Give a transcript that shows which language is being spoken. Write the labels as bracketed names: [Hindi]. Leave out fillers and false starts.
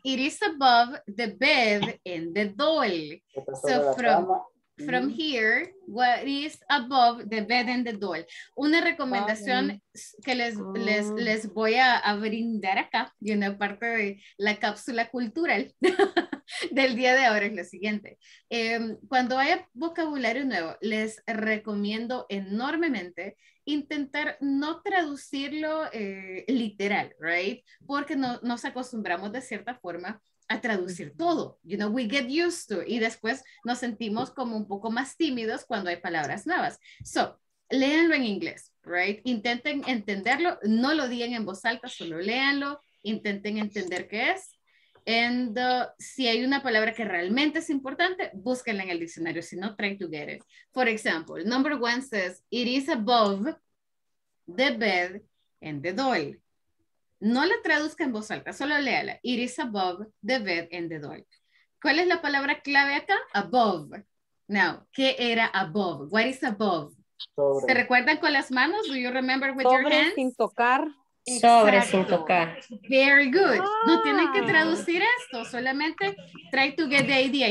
[English] It is above the bed and the doll. So from here, what is above the bed and the doll? [Spanish] Una recomendación que les voy a brindar acá, y una parte de la cápsula cultural del día de ahora es lo siguiente. Cuando haya vocabulario nuevo, les recomiendo enormemente intentar no traducirlo literal, right? Porque no, nos acostumbramos de cierta forma a traducir todo, [English] you know, we get used to, [Spanish] y después nos sentimos como un poco más tímidos cuando hay palabras nuevas. So, léanlo en inglés, right? Intenten entenderlo, no lo digan en voz alta, solo léanlo, intenten entender qué es, and si hay una palabra que realmente es importante, búsquenla en el diccionario, si no, [English] try to get it. For example, number one says, it is above the bed and the doll. [Spanish] No la traduzca en voz alta, solo léala. [English] It is above the bed and the doll. [Spanish] ¿Cuál es la palabra clave acá? Above. Now, ¿qué era above? [English] What is above? [Spanish] Sobre. ¿Se recuerdan con las manos? [English] Do you remember with [Spanish] sobre [English] your hands? [Spanish] Sobre sin tocar. Exacto. Sobre sin tocar. [English] Very good. [Spanish] No tienen que traducir esto, solamente [English] try to get the idea.